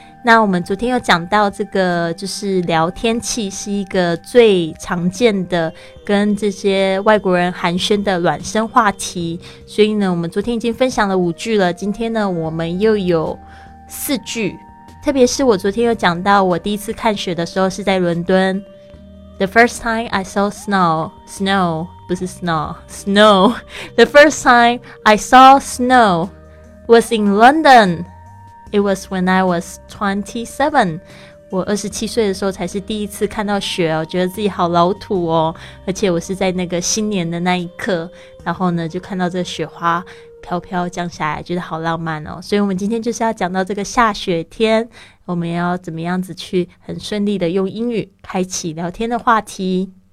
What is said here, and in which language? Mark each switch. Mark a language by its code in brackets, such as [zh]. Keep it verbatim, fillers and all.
[zh] 那我们昨天有讲到这个，就是聊天气是一个最常见的跟这些外国人寒暄的暖身话题，所以呢，我们昨天已经分享了五句了。今天呢，我们又有四句。特别是我昨天有讲到，我第一次看雪的时候是在伦敦。 [en] The first time I saw snow, snow [zh] 不是 [en] snow, snow. The first time I saw snow was in London. It was when I was twenty-seven. [zh] 我二十七岁的时候才是第一次看到雪，我觉得自己好老土哦。而且我是在那个新年的那一刻，然后呢就看到这雪花。飘飘降下来，觉得好浪漫哦。所以我们今天就是要讲到这个下雪天，我们要怎么样子去很顺利的用英语开启聊天的话题。